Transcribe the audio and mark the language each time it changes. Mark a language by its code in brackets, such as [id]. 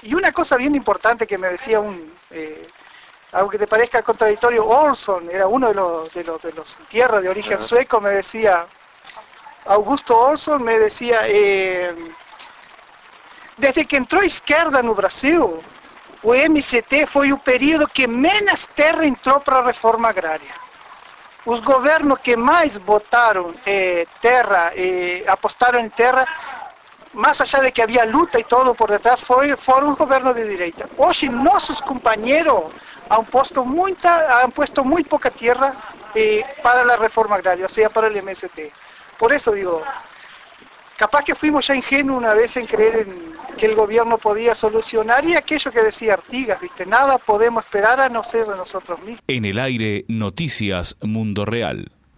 [es] Y una cosa bien importante que me decía un, aunque te parezca contradictorio, Olson, era uno de los tierra de origen sueco, me decía, Augusto Olson me decía, desde que entró izquierda en el Brasil, [pt] o MST foi o período que menos terra entrou para a reforma agrária. Os governos que mais botaram terra, apostaram em terra, mais allá de que havia luta e todo por detrás, foram os governos de direita. Hoje, nossos companheiros [es] han puesto [pt] muito pouca terra para a reforma agrária, ou seja, para o MST. Por isso digo, [es] capaz que fuimos já ingênuos uma vez em creer em que el gobierno podía solucionar, y aquello que decía Artigas, ¿viste? Nada podemos esperar a no ser de nosotros mismos. En el aire, Noticias Mundo Real.